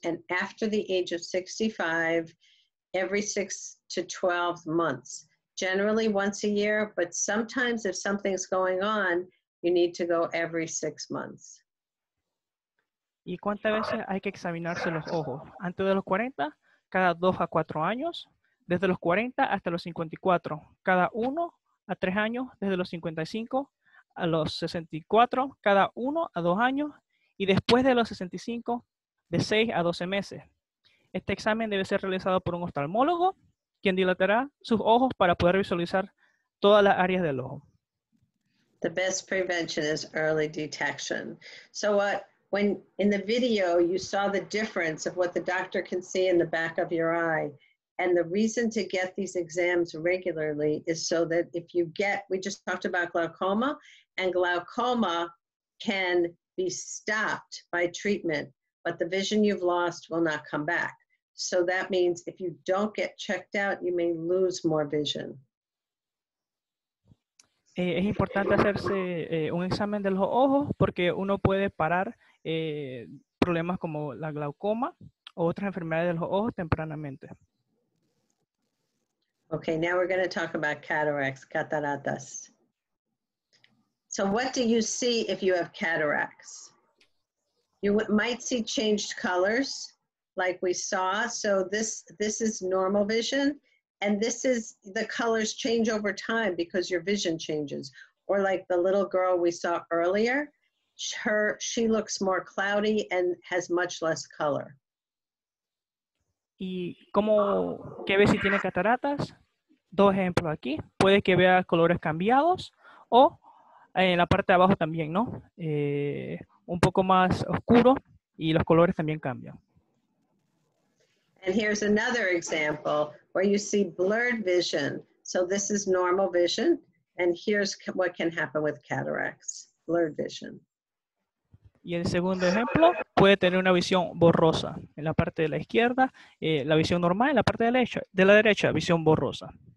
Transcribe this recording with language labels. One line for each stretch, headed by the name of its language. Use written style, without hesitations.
English: And after the age of 65, every 6 to 12 months. Generally once a year, but sometimes if something's going on, you need to go every 6 months.
Spanish: ¿Y cuántas veces hay que examinarse los ojos? Antes de los 40, cada 2 a 4 años. Desde los 40 hasta los 54, cada 1 a 3 años. Desde los 55 a los 64, cada 1 a 2 años. Y después de los 65, de 6 a 12 meses. Este examen debe ser realizado por un oftalmólogo, quien dilatará sus ojos para poder visualizar todas las áreas del ojo.
English: The best prevention is early detection. So what, when in the video you saw the difference of what the doctor can see in the back of your eye, and the reason to get these exams regularly is so that if you get, we just talked about glaucoma, and glaucoma can be stopped by treatment, but the vision you've lost will not come back. So that means if you don't get checked out, you may lose more vision.
Spanish: Es importante hacerse un examen de los ojos porque uno puede parar problemas como la glaucoma o otras enfermedades de los ojos tempranamente.
English: Okay, now we're going to talk about cataracts, cataratas. So what do you see if you have cataracts? You might see changed colors like we saw. So this is normal vision. And this is, the colors change over time because your vision changes. Or like the little girl we saw earlier, she looks more cloudy and has much less color.
Spanish: ¿Y cómo, qué ves si tiene cataratas? Dos ejemplos aquí. Puede que vea colores cambiados o en la parte de abajo también, ¿no? Un poco más oscuro y los colores también cambian.
English: And here's another example where you see blurred vision. So this is normal vision. And here's what can happen with cataracts, blurred vision.
Spanish: Y el segundo ejemplo puede tener una visión borrosa. En la parte de la izquierda, la visión normal. En la parte de la derecha, visión borrosa.